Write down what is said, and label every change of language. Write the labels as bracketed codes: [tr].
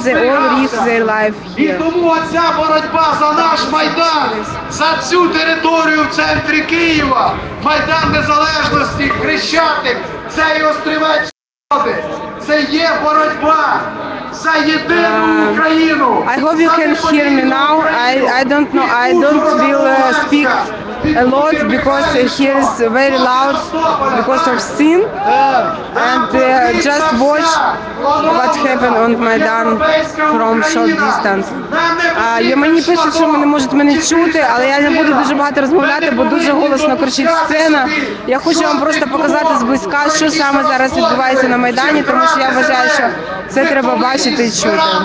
[uk] зберігався. І тому оця боротьба за наш Майдан, за цю територію в центрі Києва, Майдан Незалежності, Хрещатик, це і острівець свободи. Це є боротьба за єдину Україну. [en] I hope you can hear me now. I don't will speak a lot because here is very loud because of sin. And just watch what happened on Майдан from short distance. [uk] Мені пишуть, що вони можуть мене чути, але я не буду дуже багато розмовляти, бо дуже голосно кричить сцена. Я хочу вам просто показати зблизька, що саме зараз відбувається на Майдані, тому що я вважаю, що це треба бачити і чути.